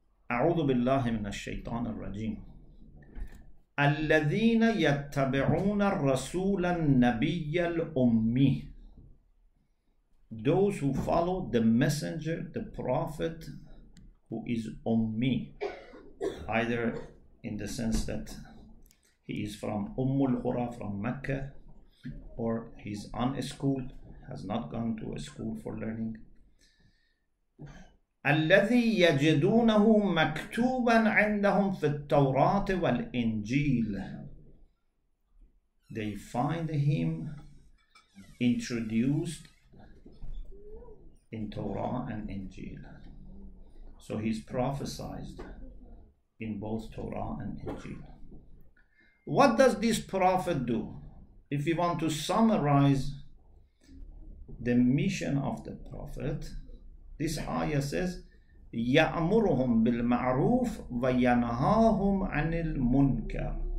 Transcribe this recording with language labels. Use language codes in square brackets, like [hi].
[ar] أعوذ بالله من الشيطان الرجيم الذين يتبعون الرسول النبي الأمي. [en] Those who follow the messenger, the prophet, who is أمي, either in the sense that he is from أم القرى, from Mecca, or he's unschooled, has not gone to a school for learning. [ar] الذي يجدونه مكتوبا عندهم في التوراة والإنجيل. [en] They find him introduced in Torah and Injil. So he's prophesied in both Torah and Injil. What does this prophet do? If you want to summarize the mission of the prophet, this ayah says, [ar] يَأْمُرُهُمْ بِالْمَعْرُوفِ وَيَنَهَاهُمْ عَنِ الْمُنْكَرِ.